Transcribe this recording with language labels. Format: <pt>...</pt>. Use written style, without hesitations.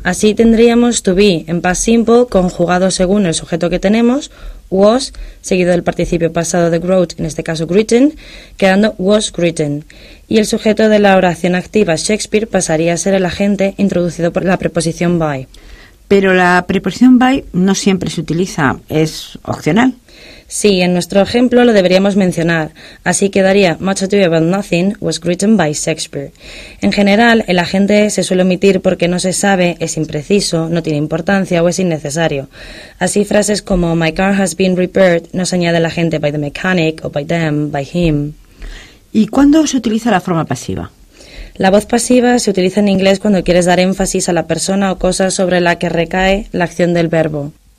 <es>Así tendríamos to be en past simple, conjugado según el sujeto que tenemos, was, seguido del participio pasado de wrote, en este caso written, quedando was written. Y el sujeto de la oración activa Shakespeare pasaría a ser el agente introducido por la preposición by. Pero la preposición by no siempre se utiliza, es opcional. Sí, en nuestro ejemplo lo deberíamos mencionar. Así quedaría</es> <en>much ado about nothing was written by Shakespeare.</en> <es>En general, el agente se suele omitir porque no se sabe, es impreciso, no tiene importancia o es innecesario. Así frases como</es> <en>my car has been repaired</en> <es>no se añade el agente</es> <en>by the mechanic</en> <es>o</es> <en>by them, by him.</en> <es>¿Y cuándo se utiliza la forma pasiva? La voz pasiva se utiliza en inglés cuando quieres dar énfasis a la persona o cosa sobre la que recae la acción del verbo.</es>